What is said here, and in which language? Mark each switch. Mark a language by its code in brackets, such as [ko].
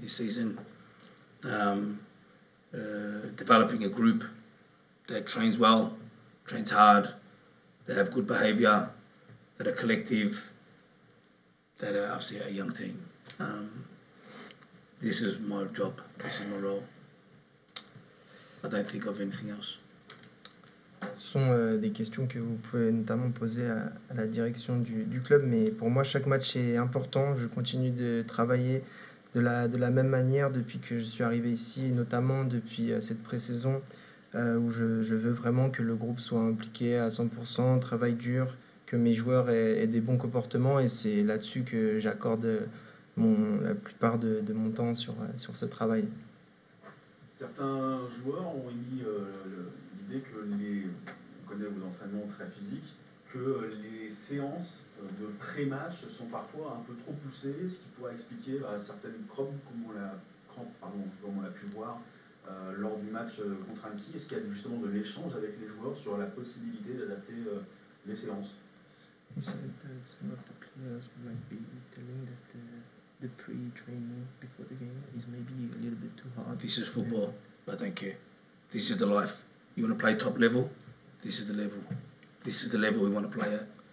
[en] This season, developing a group that trains well, trains hard, that have good behaviour, that are collective, that are obviously a young team. This is my job, this is my role. I don't think of anything else. [fr] sont des questions que vous pouvez notamment poser à la direction du club. Mais pour moi, chaque match est important. Je continue de travailler de la même manière depuis que je suis arrivé ici, notamment depuis cette pré-saison, où je veux vraiment que le groupe soit impliqué à 100%, travaille dur, que mes joueurs aient des bons comportements. Et c'est là-dessus que j'accorde la plupart de mon temps sur ce travail. Certains joueurs ont émis l'idée que on connaît vos entraînements très physiques, que les séances de pré-match sont parfois un peu trop poussées, ce qui pourrait expliquer certaines crampes, comme on l'a pu voir lors du match contre Annecy. Est-ce qu'il y a justement de l'échange avec les joueurs sur la possibilité d'adapter les séances? [en] It's not the players who might be telling that the pre-training before the game is maybe a little bit too hard. This is football, but I don't care. This is the life. You want to play top level? This is the level. This is the level we want to play at.